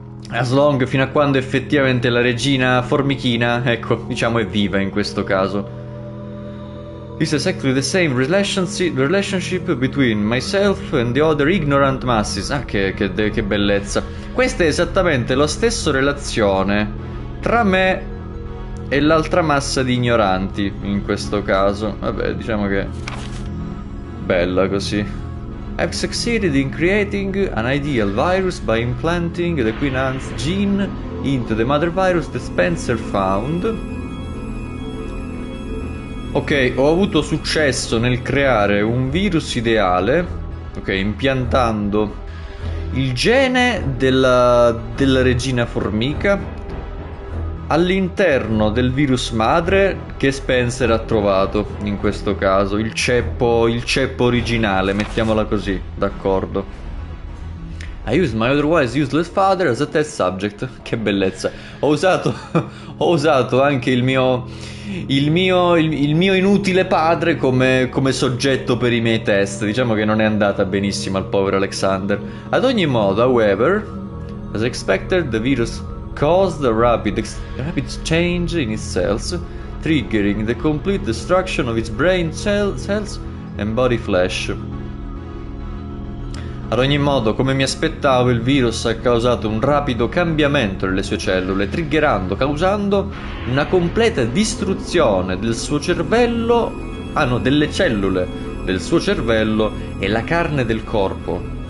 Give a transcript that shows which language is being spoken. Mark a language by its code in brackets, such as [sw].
[en] As long, [it] fino a quando effettivamente la regina formichina, ecco, diciamo, è viva in questo caso. [en] It's exactly the same relationship between myself and the other ignorant masses. [it] Ah, che bellezza. Questa è esattamente la stessa relazione tra me e l'altra massa di ignoranti, in questo caso. Vabbè, diciamo che... bella così. [en] I've succeeded in creating an ideal virus by implanting the Queen Ant's gene into the mother virus that Spencer found. [it] Ok, ho avuto successo nel creare un virus ideale, ok, impiantando il gene della regina formica all'interno del virus madre che Spencer ha trovato in questo caso, il ceppo originale, mettiamola così, d'accordo. [en] I used my otherwise useless father as a test subject. [it] Che bellezza. Ho usato anche il mio inutile padre come soggetto per i miei test. Diciamo che non è andata benissimo al povero Alexander. Ad ogni modo, [en] however, as expected, the virus caused a rapid change in its cells, triggering the complete destruction of its brain cells and body flesh. [it] Ad ogni modo, come mi aspettavo, il virus ha causato un rapido cambiamento nelle sue cellule, causando una completa distruzione del suo cervello, delle cellule del suo cervello e la carne del corpo.